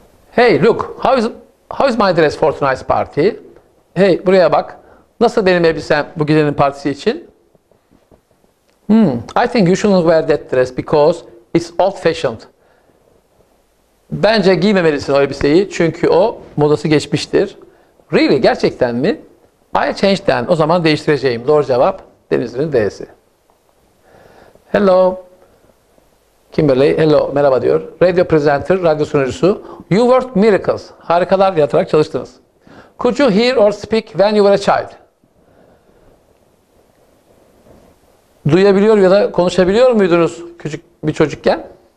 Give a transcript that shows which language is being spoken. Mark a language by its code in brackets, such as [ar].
[en] Hey look, how is my dress for tonight's party? [tr] Hey, buraya bak. Nasıl benim elbisem bu gecenin partisi için? [en] I think you shouldn't wear that dress because it's old fashioned. [tr] Bence giymemelisin o elbiseyi çünkü o modası geçmiştir. [en] Really, [tr] gerçekten mi? [en] I'll change then. [tr] O zaman değiştireceğim. Doğru cevap Denizli'nin D'si. Hello. Kimberly, hello, merhaba diyor. Radio presenter, radyo sunucusu. [en] You worked miracles. [tr] Harikalar yaratarak çalıştınız. [en] Could you hear or speak when you were a child? [tr] Duyabiliyor ya da konuşabiliyor muydunuz küçük bir çocukken?